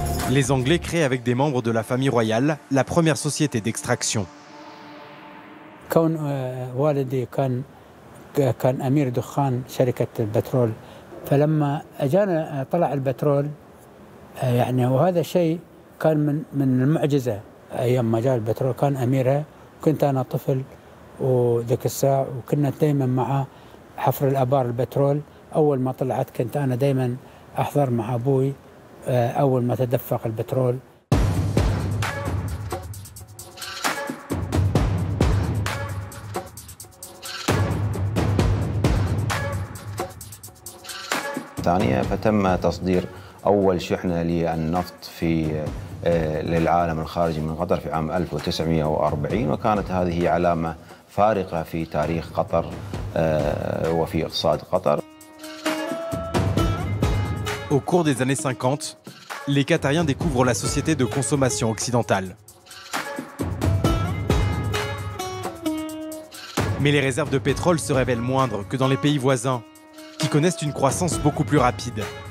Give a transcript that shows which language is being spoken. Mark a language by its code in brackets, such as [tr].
[fr] Les Anglais créent avec des membres de la famille royale la première société d'extraction. [ar] كان أمير دخان شركة البترول فلما أجانا طلع البترول يعني وهذا شيء كان من المعجزة أيام ما جاء البترول كان أميرها كنت أنا طفل وذك الساعة وكنا دائما مع حفر الأبار البترول أول ما طلعت كنت أنا دائما أحضر مع أبوي أول ما تدفق البترول ثانية فتم تصدير أول شحنة للنفط في للعالم الخارجي من قطر في عام 1940، وكانت هذه علامة فارقة في تاريخ قطر وفي اقتصاد قطر. [fr] Au cours des années 50, les Qatariens découvrent la société de consommation occidentale. Mais les réserves de pétrole se révèlent moindres que dans les pays voisins, qui connaissent une croissance beaucoup plus rapide.